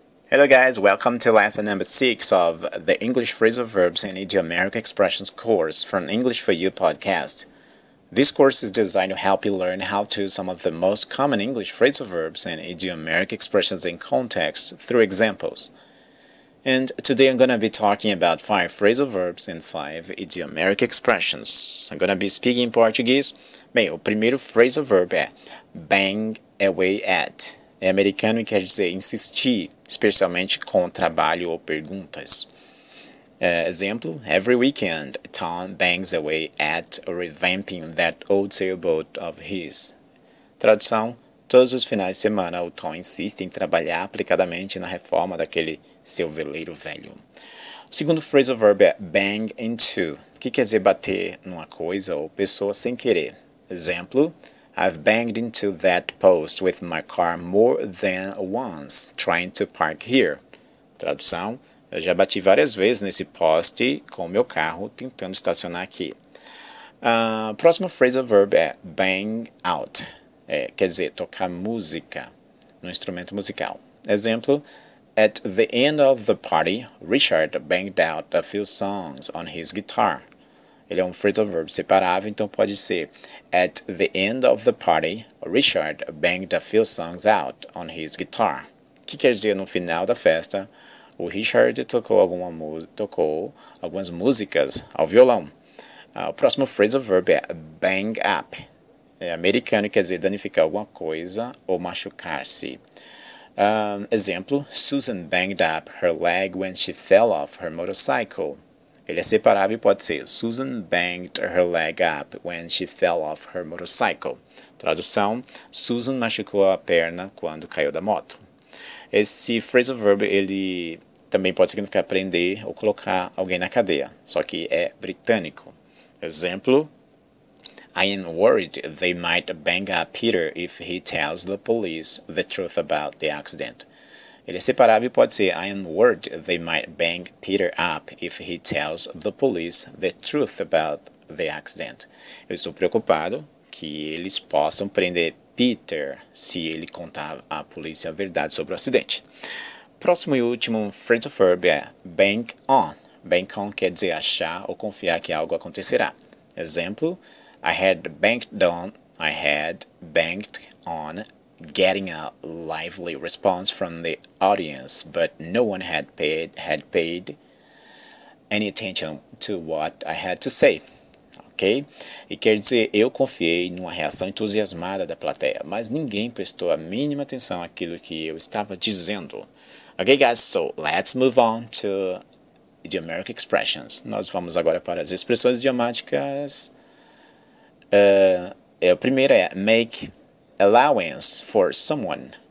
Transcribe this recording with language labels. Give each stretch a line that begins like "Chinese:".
English: Hello guys, welcome to lesson number 6 of the English Phrasal Verbs and Idiomatic Expressions course from English for You podcast. This course is designed to help you learn how to use some of the most common English phrasal verbs and idiomatic expressions in context through examples. And today I'm going to be talking about 5 phrasal verbs and 5 idiomatic expressions. I'm going to be speaking in Portuguese.
Portuguese: Bem, o primeiro phrasal verb é bang away at. É americano e quer dizer insistir, especialmente com trabalho ou perguntas.
English: Exemplo, every weekend, Tom bangs away at revamping that old sailboat of his.
Portuguese: Tradução, todos os finais de semana, o Tom insiste em trabalhar aplicadamente na reforma daquele seu veleiro velho. O segundo phrasal verb é bang into, que quer dizer bater numa coisa ou pessoa sem querer.
English: Exemplo, I've banged into that post with my car more than once, trying to park here.
Portuguese: Tradução, eu já bati várias vezes nesse poste com o meu carro tentando estacionar aqui. Próximo phrasal verb é bang out, quer dizer, tocar música no instrumento musical.
English: Exemplo, at the end of the party, Richard banged out a few songs on his guitar.
Portuguese: Ele é um phrasal verb separável, então pode ser
English: at the end of the party, Richard banged a few songs out on his guitar.
Portuguese: Que quer dizer no final da festa, o Richard tocou algumas músicas ao violão. O próximo phrasal verb é bang up. É americano e quer dizer danificar alguma coisa ou machucar-se.
English: Exemplo, Susan banged up her leg when she fell off her motorcycle.
Portuguese: Ele é separável e pode ser
English: Susan banged her leg up when she fell off her motorcycle.
Portuguese: Tradução, Susan machucou a perna quando caiu da moto. Esse phrasal verb, ele também pode significar prender ou colocar alguém na cadeia, só que é britânico.
English: Exemplo, I am worried they might bang up Peter if he tells the police the truth about the accident.
Portuguese: Ele é separável e pode ser
English: I am worried they might bang Peter up if he tells the police the truth about the accident.
Portuguese: Eu estou preocupado que eles possam prender Peter se ele contar à polícia a verdade sobre o acidente. Próximo e último phrasal verb é bank on. Bank on quer dizer achar ou confiar que algo acontecerá.
English: Exemplo, I had banked on getting a lively response from the audience, but no one had paid any attention to what I had to say. Ok?
Portuguese: E quer dizer, eu confiei numa reação entusiasmada da plateia, mas ninguém prestou a mínima atenção àquilo que eu estava dizendo.
English: Ok, guys, so let's move on to idiomatic expressions.
Portuguese: Nós vamos agora para as expressões idiomáticas. A primeira é make allowance for someone.